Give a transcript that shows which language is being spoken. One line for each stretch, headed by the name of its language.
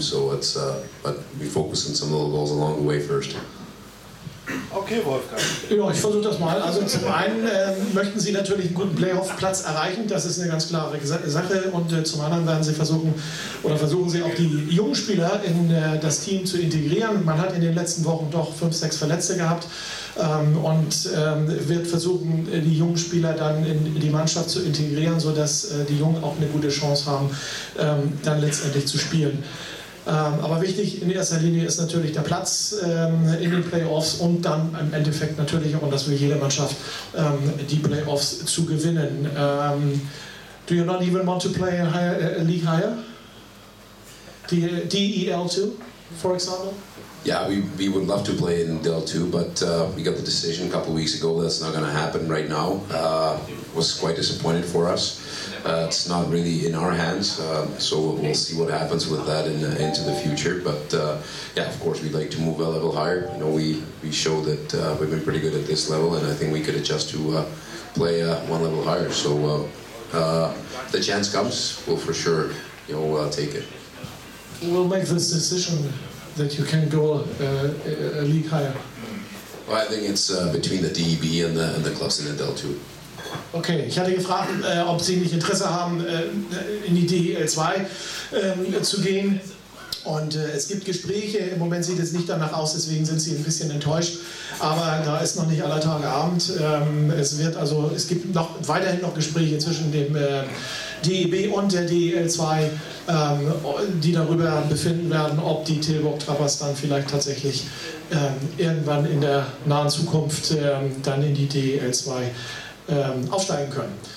English: So it's, but we focus on some little goals along the way first. Okay, Wolfgang.
German: Ja, ich versuche das mal. Also zum einen möchten Sie natürlich einen guten Playoff-Platz erreichen, das ist eine ganz klare Sache. Und zum anderen werden Sie versuchen, oder versuchen Sie auch die jungen Spieler in das Team zu integrieren. Man hat in den letzten Wochen doch 5-6 Verletzte gehabt und wird versuchen, die jungen Spieler dann in die Mannschaft zu integrieren, sodass die Jungen auch eine gute Chance haben, dann letztendlich zu spielen. Aber wichtig in erster Linie ist natürlich der Platz in den Playoffs und dann im Endeffekt natürlich auch, dass wir jede Mannschaft die Playoffs zu gewinnen.
English: Do you not even want to play in higher, league higher? DEL2, for example? Yeah, we would love to play in DEL2, but we got the decision a couple of weeks ago that's not going to happen right now. Was quite disappointed for us. It's not really in our hands, so we'll see what happens with that in into the future. But yeah, of course, we'd like to move a level higher. You know, we show that we've been pretty good at this level, and I think we could adjust to play one level higher. So the chance comes, we'll for sure, you know, take it. We'll make this decision that you can go a league higher. Well, I think it's between the DEB and the clubs in the DEL2.
German: Okay, ich hatte gefragt, ob Sie nicht Interesse haben, in die DEL2 zu gehen. Und es gibt Gespräche, im Moment sieht es nicht danach aus, deswegen sind Sie ein bisschen enttäuscht. Aber da ist noch nicht aller Tage Abend. Es gibt noch weiterhin noch Gespräche zwischen dem DEB und der DEL2, die darüber befinden werden, ob die Tilburg Trappers dann vielleicht tatsächlich irgendwann in der nahen Zukunft dann in die DEL2 aufsteigen können.